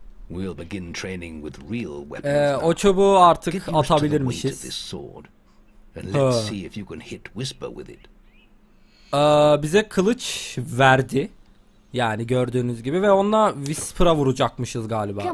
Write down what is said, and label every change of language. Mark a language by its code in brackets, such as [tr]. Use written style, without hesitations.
[en] We'll begin training with real weapons. [tr] O çubuğu artık atabilirmişiz. [en] Let's see if you can hit Whisper with it. [tr] Bize kılıç verdi. Yani gördüğünüz gibi, ve onunla Whisper'a vuracakmışız galiba.